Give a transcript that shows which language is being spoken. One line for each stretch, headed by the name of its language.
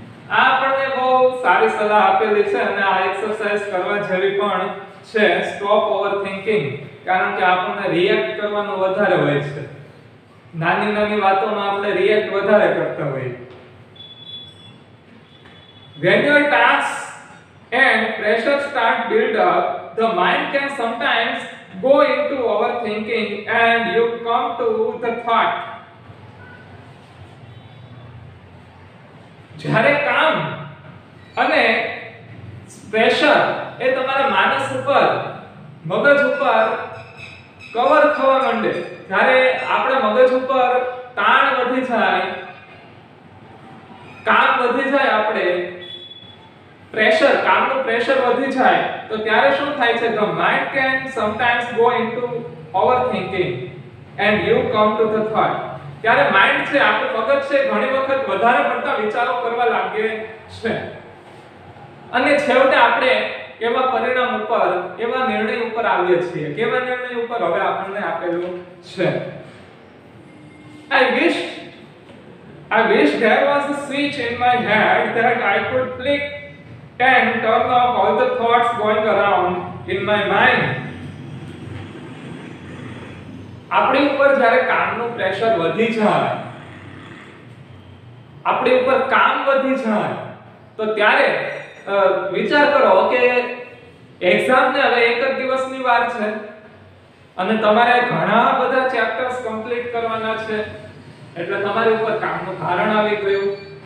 Gujarati: આ પણ એ બહુ સારી સલાહ આપેલી છે અને આ એક્સરસાઇઝ કરવા જેવી પણ છે,
English: Stop overthinking.
Gujarati: કારણ કે આપણને રિએક્ટ કરવાનું વધારે હોય છે, નાની નાની વાતોમાં આપણે રિએક્ટ વધારે કરતા હોય.
English: When your task and pressure start build up the mind can sometimes go into our thinking and you come to the thought.
Gujarati: જ્યારે કામ અને પ્રેશર એ તમારા માનસ ઉપર મગજ ઉપર કવર થવા માંડે, ત્યારે આપણા મગજ ઉપર તાણ વધી જાય, કામ વધી જાય, આપણે પ્રેશર, કામનું પ્રેશર વધી જાય, તો ત્યારે શું થાય છે?
English: The mind can sometimes go into overthinking and you come to the thought.
Gujarati: ત્યારે માઇન્ડ છે, આપણું મગજ છે, ઘણી વખત વધારે પડતા વિચારો કરવા લાગે છે અને છેવટે આપણે એવા પરિણામ ઉપર, એવા નિર્ણય ઉપર આવીએ છીએ. કેવા નિર્ણય ઉપર? હવે આપણને આપેલું છે,
English: I wish there was a switch in my head that I could flick and turn off all the thoughts going around in my mind.
Gujarati: આપણી ઉપર જ્યારે કામનું પ્રેશર વધી જાય, આપણી ઉપર કામ વધી જાય, તો ત્યારે વિચાર કરો કે એક્ઝામ ને હવે એક જ દિવસની વાર છે અને તમારે ઘણા બધા ચેપ્ટર્સ કમ્પ્લીટ કરવાના છે, એટલે તમારી ઉપર કામનું ભારણ આવી ગયું.